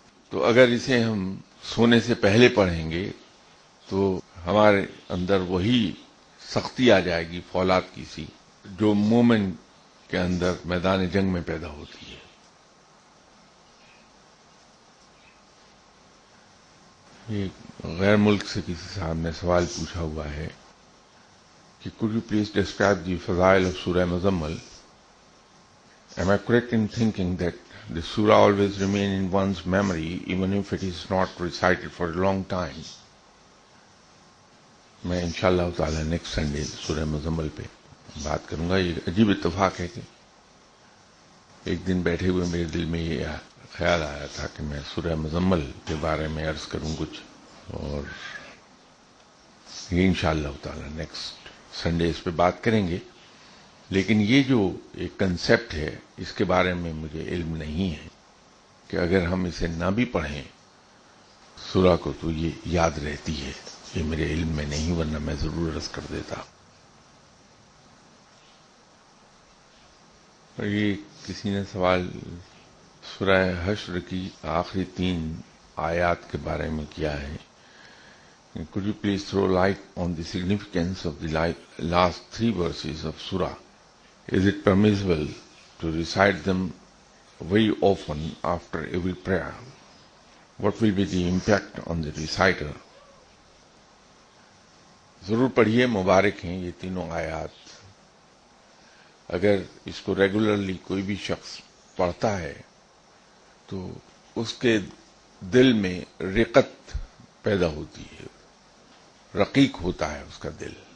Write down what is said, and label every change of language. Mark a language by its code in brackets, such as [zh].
[ur] تو اگر اسے ہم سونے سے پہلے پڑھیں گے تو ہمارے اندر وہی سختی آ جائے گی، فولاد کی سی، جو مومن کے اندر میدان جنگ میں پیدا ہوتی ہے. ایک غیر ملک سے کسی صاحب نے سوال پوچھا ہوا ہے کہ [en] could you please describe the [ur] فضائل of سورہ Muzammil. [en] Am I correct in thinking that the surah always remains in one's memory even if it is not recited for a long time? [ur] میں انشاءاللہ تعالی نیکسٹ سنڈے سورہ مزمل پہ بات کروں گا. یہ عجیب اتفاق ہے کہ ایک دن بیٹھے ہوئے میرے دل میں یہ خیال آیا تھا کہ میں سورہ مزمل کے بارے میں عرض کروں کچھ، اور یہ انشاءاللہ تعالی نیکسٹ سنڈے اس پہ بات کریں گے. لیکن یہ جو ایک کنسیپٹ ہے، اس کے بارے میں مجھے علم نہیں ہے کہ اگر ہم اسے نہ بھی پڑھیں سورہ کو تو یہ یاد رہتی ہے، یہ میرے علم میں نہیں، ورنہ میں ضرور عرض کر دیتا. اور یہ کسی نے سوال سورہ حشر کی آخری تین آیات کے بارے میں کیا ہے. [en] Could you please throw light on the significance of the last three verses of surah? Is it permissible to recite them very often after every prayer? What will be the impact on the reciter? [ur] ضرور پڑھیے، مبارک ہیں یہ تینوں آیات. اگر اس کو regularly کوئی بھی شخص پڑھتا ہے تو اس کے دل میں رقت پیدا ہوتی ہے، رقیق ہوتا ہے اس کا دل.